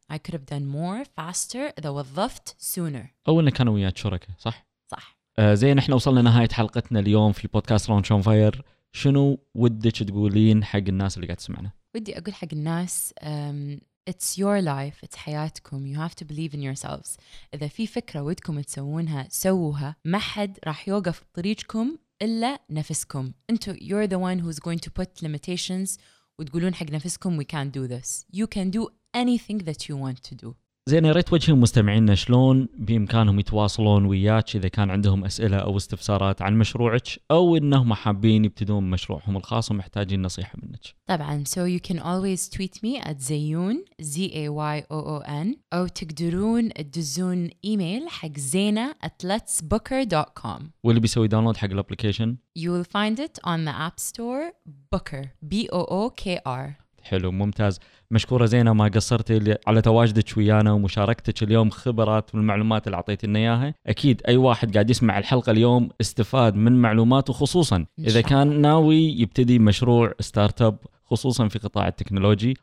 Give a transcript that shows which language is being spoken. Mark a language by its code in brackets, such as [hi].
[en] I could have done more faster [ar] إذا وظفت [en] sooner. [ar] أو إنك كانوا وياك شركة, صح؟ صح. زين, إحنا وصلنا نهاية حلقتنا اليوم في بودكاست Launch on Fire. شنو ودك تقولين حق الناس اللي قاعد تسمعنا؟ ودي أقول حق الناس [en] it's your life, it's حياتكم, you have to believe in yourselves. [ar] إذا في فكرة ودكم تسوونها سووها, ما حد راح يوقف بطريقكم إلا نفسكم. [en] أنتو you're the one who's going to put limitations [ar] وتقولون حق نفسكم [en] we can't do this. You can do anything that you want to do. [ar] زين, يا ريت وجهي مستمعينا شلون بإمكانهم يتواصلون وياك إذا كان عندهم أسئلة أو استفسارات عن مشروعك أو إنهم حابين يبتدون مشروعهم الخاص ومحتاجين نصيحة منك. [en] طبعاً, so you can always tweet me at زيون ZAYOON, [ar] أو تقدرون تدزون إيميل حق [en] زينة at letsbooker.com. [ar] واللي بيسوي داونلود حق الابليكيشن, [en] you will find it on the app store Booker BOOKR. [ar] حلو, ممتاز, مشكورة زينة, ما قصرتي على تواجدك ويانا ومشاركتك اليوم خبرات والمعلومات اللي عطيتنا إياها. أكيد أي واحد قاعد يسمع الحلقة اليوم استفاد من معلوماته, خصوصا إذا كان ناوي يبتدي مشروع ستارتاب خصوصا في قطاع التكنولوجي.